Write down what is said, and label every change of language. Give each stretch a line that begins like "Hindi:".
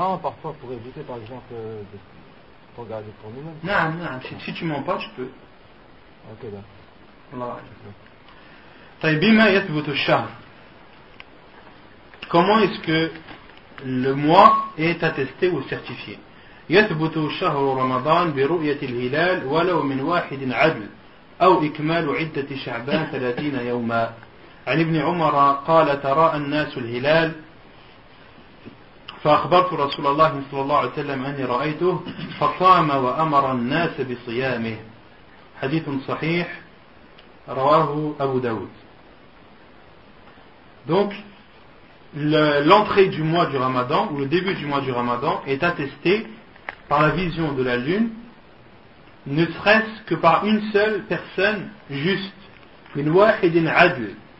French: Non, parfois pour éviter par exemple de regarder pour nous-mêmes. Non. Si tu mens pas, tu peux. Ok, ben. Taïbima yat voto shah. Comment est-ce que le mois est attesté ou certifié.
Arabic: يثبت شهر رمضان برؤية الهلال ولو من واحد عدل أو إكمال عدة شعبان 30 يوما. عن ابن عمر قال ترى الناس الهلال فأخبرت رسول الله صلى الله عليه وسلم أني رأيته فصام وأمر الناس بصيامه. حديث صحيح رواه أبو داود. Donc
French: l'entrée du mois du Ramadan ou le début du mois du Ramadan est attestée par la vision de la lune, ne serait-ce que par une seule personne juste.
Arabic: Min wahidin adl.